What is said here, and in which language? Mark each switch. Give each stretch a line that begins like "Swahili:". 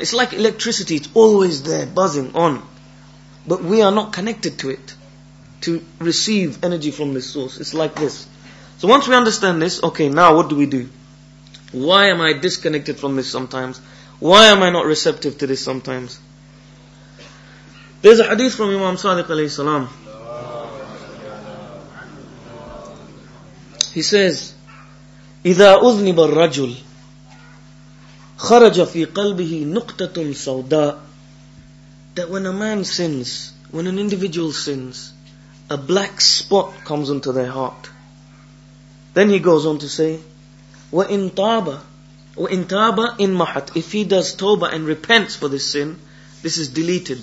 English: It's like electricity, it's always there, buzzing on. But we are not connected to it to receive energy from this source. It's like this. So once we understand this, okay, now what do we do? Why am I disconnected from this sometimes? Why am I not receptive to this sometimes? There's a hadith from Imam Sadiq alayhi salam. He says,
Arabic: إِذَا أُذْنِبَ الرَّجُلِ خَرَجَ فِي قَلْبِهِ نُقْتَةٌ سَوْدَاءٌ.
English: That when a man sins, when an individual sins, a black spot comes into their heart. Then he goes on to say,
Arabic: وَإِنْ تَابَ إِنْ مَحَتْ.
English: If he does tawbah and repents for this sin, this is deleted.